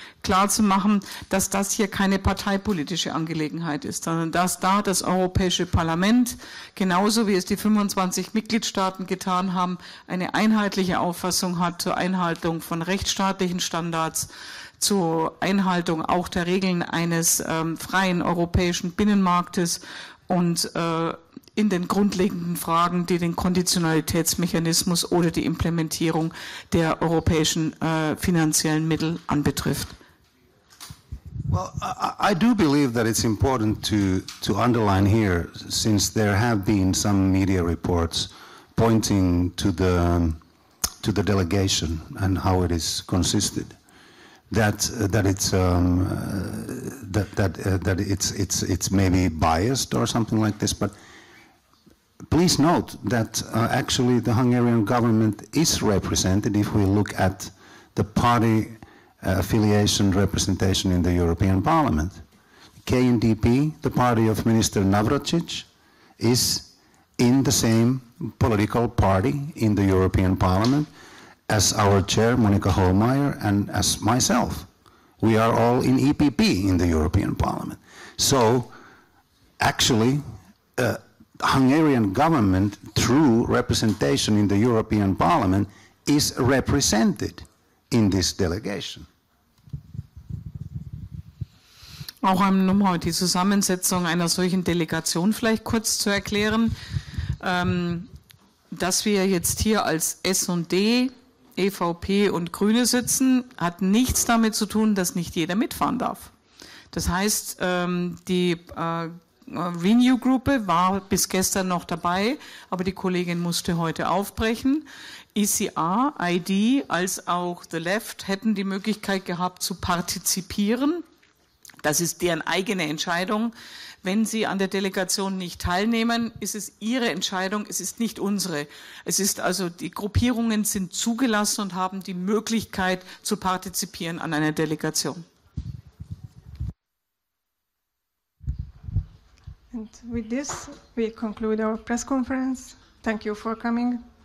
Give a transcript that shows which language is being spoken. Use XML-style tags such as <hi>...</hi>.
<de>klar zu machen, dass das hier keine parteipolitische Angelegenheit ist, sondern dass da das Europäische Parlament, genauso wie es die 25 Mitgliedstaaten getan haben, eine einheitliche Auffassung hat zur Einhaltung von rechtsstaatlichen Standards, zur Einhaltung auch der Regeln eines freien europäischen Binnenmarktes und in den grundlegenden Fragen, die den Konditionalitätsmechanismus oder die Implementierung der europäischen finanziellen Mittel anbetrifft.</de> <en>Well, I do believe that it's important to underline here, since there have been some media reports pointing to the delegation and how it is consisted, that it's maybe biased or something like this, but please note that actually the Hungarian government is represented if we look at the party affiliation representation in the European Parliament. KNDP, the party of Minister Navracsics, is in the same political party in the European Parliament as our chair, Monika Hohlmeier, and as myself. We are all in EPP in the European Parliament. So actually, Hungarian government through representation in the European Parliament is represented in this delegation.</en> <de>Auch nochmal die Zusammensetzung einer solchen Delegation vielleicht kurz zu erklären, dass wir jetzt hier als S&D, EVP und Grüne sitzen, hat nichts damit zu tun, dass nicht jeder mitfahren darf. Das heißt, die Renew-Gruppe war bis gestern noch dabei, aber die Kollegin musste heute aufbrechen. ECR, ID als auch The Left hätten die Möglichkeit gehabt zu partizipieren. Das ist deren eigene Entscheidung. Wenn sie an der Delegation nicht teilnehmen, ist es ihre Entscheidung, es ist nicht unsere. Es ist also, die Gruppierungen sind zugelassen und haben die Möglichkeit zu partizipieren an einer Delegation.</de> <en>And with this, we conclude our press conference. Thank you for coming.</en>